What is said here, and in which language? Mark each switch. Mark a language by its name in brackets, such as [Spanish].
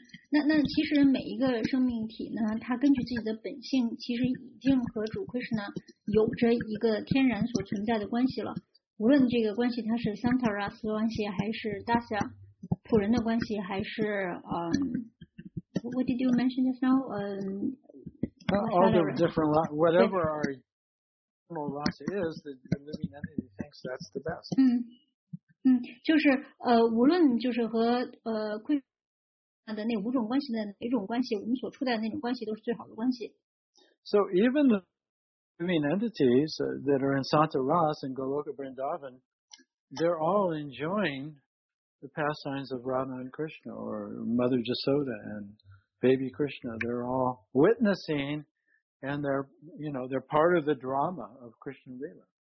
[Chinese] 那其实每一个生命体呢，它根据自己的本性，其实已经和主 Krishna 有着一个天然所存在的关系了。无论这个关系它是 Santa Ras 关系，还是 Dasya 仆人的关系，还是 [English] What did you mention just now? All the different whatever our normal Ras is, the living entity thinks that's the best. [Chinese] 就是无论就是和 Krishna 的那五种关系的哪种关系，我们所处在的那种关系都是最好的关系。 [English] So even the living entities that are in Santa Ras and Goloka Vrindavan, they're all enjoying the pastimes of Radha and Krishna or Mother Jasoda and Baby Krishna. They're all witnessing, and they're part of the drama of Krishna Lila.